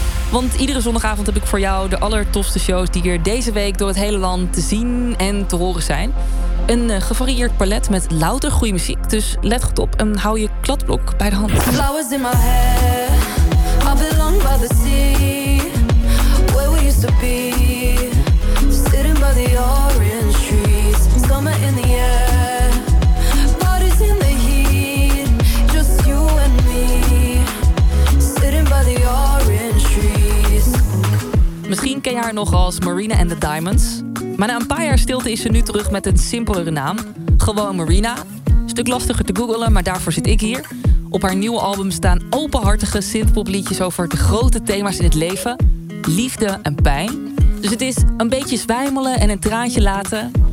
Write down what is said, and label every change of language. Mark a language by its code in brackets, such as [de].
[nl] Want iedere zondagavond heb ik voor jou de allertofste shows die er deze week door het hele land te zien en te horen zijn. Een gevarieerd palet met louter goede muziek. Dus let goed op en hou je kladblok bij de hand. [en] Flowers in my hair, I belong by the sea. Where we used to be, sitting by the orange trees. Summer in the air, parties in the heat. Just you and me, sitting by the orange trees. [nl] Misschien ken je haar nog als Marina and the Diamonds. Maar na een paar jaar stilte is ze nu terug met een simpelere naam. Gewoon Marina. Stuk lastiger te googlen, maar daarvoor zit ik hier. Op haar nieuwe album staan openhartige synthpop liedjes over de grote thema's in het leven. Liefde en pijn. Dus het is een beetje zwijmelen en een traantje laten.